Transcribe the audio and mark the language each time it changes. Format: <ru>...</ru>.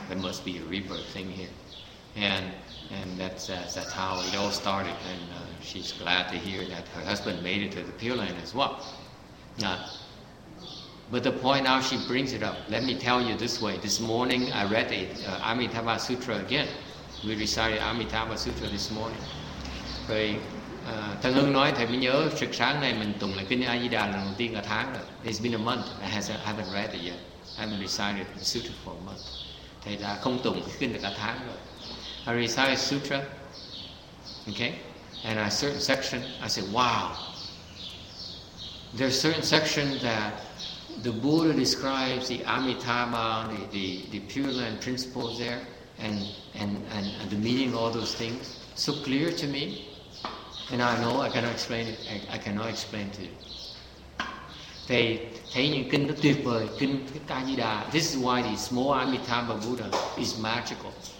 <en>There must be a rebirth thing here, and that's how it all started. And she's glad to hear that her husband made it to the Pure Land as well. Now, but the point now she brings it up. Let me tell you this way. This morning I read the Amitabha Sutra again. We recited Amitabha Sutra this morning. Very.</en> <vi>Thân Hưng nói thầy mới nhớ sực sáng nay mình tụng lại kinh A Di Đà lần đầu tiên cả tháng rồi.</vi> <en>It's been a month. I haven't read it yet. I haven't recited the sutra for a month.</en> <vi>Thầy đã không tụng cái kinh cả tháng rồi.</vi> <en>I recited sutra, okay, and a certain section. I said, wow. There's certain section that the Buddha describes the Amitabha, the Pure Land principles there, and the meaning of all those things so clear to me. And I know I cannot explain it. I cannot explain to you.</en> <vi>They thấy những kinh rất tuyệt vời, kinh A Di Đà.</vi> <en>This is why the small Amitabha Buddha is magical.</en>